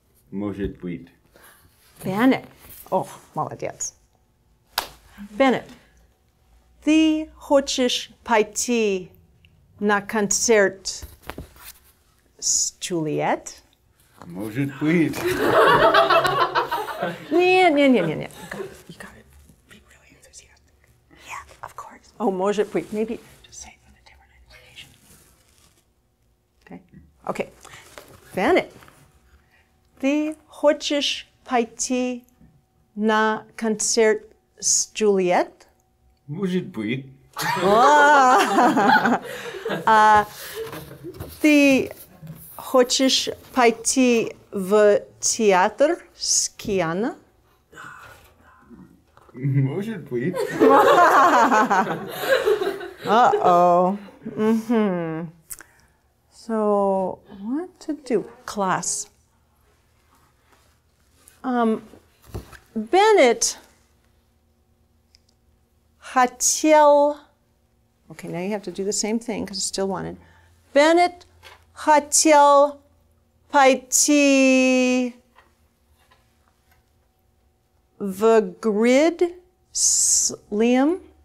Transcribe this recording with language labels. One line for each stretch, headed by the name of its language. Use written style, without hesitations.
Russian: Может быть. Bennett. Oh, молодец. Bennett. Ты хочешь пойти на концерт с Juliet? Может быть. Нет, нет, нет, нет, нет.
English: You got to be really enthusiastic. Yeah, of course.
Russian: Oh, может быть.
English: Maybe just say it in a different intonation. Okay. Okay. Bennett.
Russian: Ты хочешь пойти на концерт с Juliet? Может быть. Ты хочешь пойти в театр с Киана? Может быть. Uh-oh. Mm-hmm.
English: So, what to do? Class.
Russian: Bennett хотел...
English: Okay, now you have to do the same thing because it's still wanted.
Russian: Bennett хотел пойти в грид, Liam?